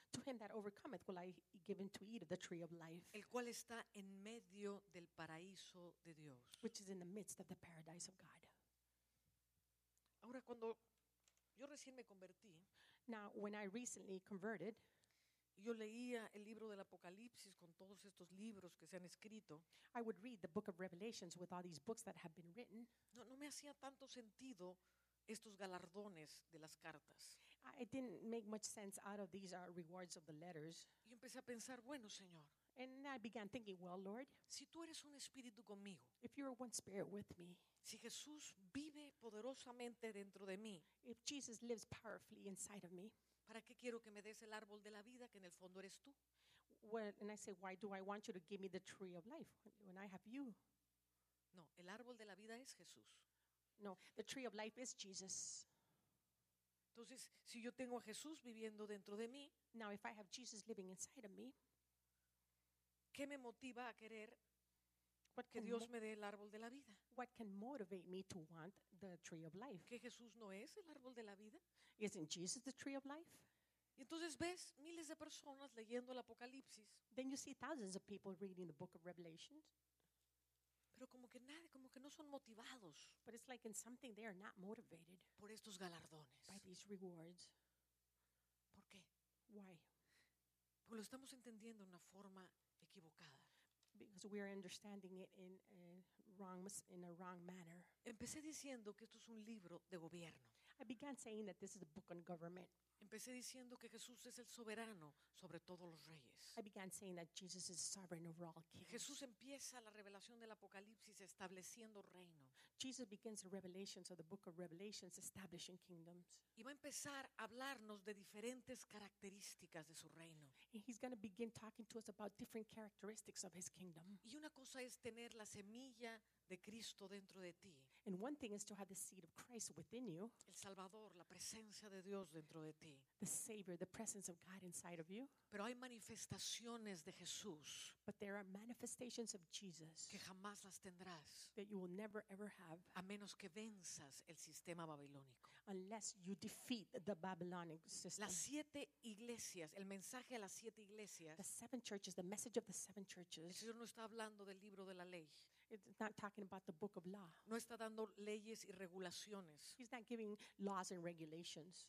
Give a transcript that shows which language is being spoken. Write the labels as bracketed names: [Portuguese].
[English] To him that overcometh, will I give him to eat of the tree of life. [Spanish] El cual está en medio del paraíso de Dios. [English] Which is in the midst of the paradise of God. [Spanish] Ahora, cuando yo recién me convertí. [English] Now, when I recently converted. [Spanish] Yo leía el libro del Apocalipsis con todos estos libros que se han escrito. [English] I would read the book of Revelations with all these books that have been written. [Spanish] No me hacía tanto sentido estos galardones de las cartas. [English] It didn't make much sense out of these rewards of the letters. [Spanish] Y empecé a pensar, bueno, Señor. [English] And I began thinking, well, Lord. [Spanish] Si tú eres un espíritu conmigo. [English] If you are one spirit with me. [Spanish] Si Jesús vive poderosamente dentro de mí. [English] If Jesus lives powerfully inside of me. [Spanish] ¿Para qué quiero que me des el árbol de la vida que en el fondo eres tú? [English] Well, and I say, why do I want you to give me the tree of life when I have you? [Spanish] No, el árbol de la vida es Jesús. [English] No, the tree of life is Jesus. [Spanish] Entonces, si yo tengo a Jesús viviendo dentro de mí. [English] Now, if I have Jesus living inside of me. [Spanish] ¿Qué me motiva a querer que Dios me dé el árbol de la vida? [English] What can motivate me to want the tree of life? [Spanish] ¿Que Jesús no es el árbol de la vida? [English] Isn't Jesus the tree of life? [Spanish] Y entonces ves miles de personas leyendo el Apocalipsis. [English] Then you see thousands of people reading the book of Revelation. [Spanish] Pero como que nada, como que no son motivados. [English] But it's like in something they are not motivated. [Spanish] Por estos galardones. [English] By these rewards. [Spanish] ¿Por qué? [English] Why? [Spanish] Porque lo estamos entendiendo de una forma equivocada. [English] Because we are understanding it in a wrong manner. [Spanish] Empecé diciendo que esto es un libro de gobierno. [English] I began saying that this is a book on government. [Spanish] Empecé diciendo que Jesús es el soberano sobre todos los reyes. [English] I began saying that Jesus is sovereign over all kings. [Spanish] Jesús empieza la revelación del Apocalipsis estableciendo reino. [English] Jesus begins the revelations of the book of Revelations establishing kingdoms. [Spanish] Y va a empezar a hablarnos de diferentes características de su reino. [English] And he's going to begin talking to us about different characteristics of his kingdom. [Spanish] Y una cosa es tener la semilla de Cristo dentro de ti. [English] And one thing is to have the seed of Christ within you. [Spanish] El Salvador, la presencia de Dios dentro de ti. [English] The Savior, the presence of God inside of you. [Spanish] Pero hay manifestaciones de Jesús. [English] But there are manifestations of Jesus. [Spanish] Que jamás las tendrás. [English] That you will never ever have. [Spanish] A menos que venzas el sistema babilónico. [English] Unless you defeat the Babylonic system. [Spanish] Las siete iglesias, el mensaje a las siete iglesias. [English] The seven churches, the message of the seven churches. [Spanish] El Señor no está hablando del libro de la ley. [English] It's not talking about the book of law. [Spanish] No está dando leyes y regulaciones. [English] He's not giving laws and regulations.